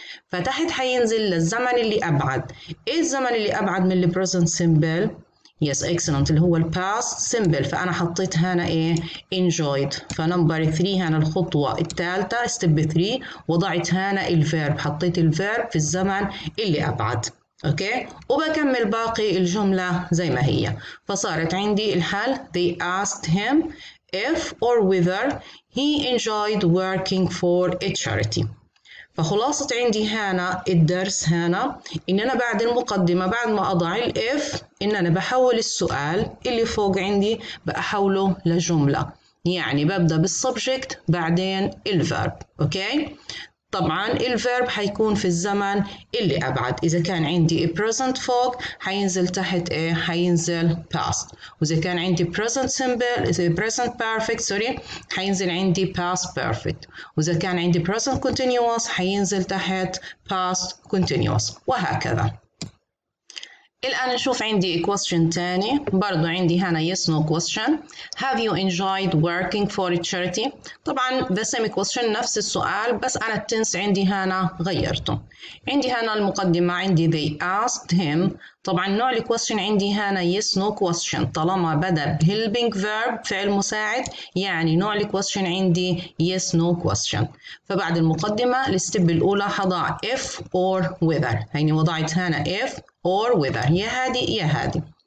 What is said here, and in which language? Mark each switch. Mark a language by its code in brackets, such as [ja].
[ar] فتحت هينزل للزمن اللي أبعد. إيه الزمن اللي أبعد من البريزنت سيمبل؟ يس اكسلنت، اللي هو الباست سيمبل. فأنا حطيت هنا إيه؟ انجويد. فنمبر 3 هنا الخطوة الثالثة ستيب 3، وضعت هنا الفيرب، حطيت الفيرب في الزمن اللي أبعد. أوكي؟ وبكمل باقي الجملة زي ما هي. فصارت عندي الحال [en] they asked him if or whether he enjoyed working for a charity. [ar] فخلاصة عندي هنا الدرس هنا إن أنا بعد المقدمة بعد ما أضع الـ if إن أنا بحول السؤال اللي فوق عندي بأحوله لجملة، يعني ببدأ بالسبجكت بعدين الفيرب. أوكي؟ طبعا الفيرب حيكون في الزمن اللي أبعد، إذا كان عندي present فوق حينزل تحت إيه؟ حينزل past، وإذا كان عندي present simple إذا present perfect sorry حينزل عندي past perfect، وإذا كان عندي present continuous حينزل تحت past continuous، وهكذا. الآن نشوف عندي question تاني، برضو عندي هنا yes no question. [en] Have you enjoyed working for a charity؟ [ar] طبعا [en] the same question [ar] نفس السؤال، بس أنا التنس عندي هنا غيرته. عندي هنا المقدمة عندي [en] they asked him، [ar] طبعا نوع الquestion عندي هنا yes no question، طالما بدأ helping verb فعل مساعد يعني نوع الquestion عندي yes no question. فبعد المقدمة الستيب الأولى حضع [en] if or whether، [ar] يعني وضعت هنا if or whether، يا هادي يا هادي.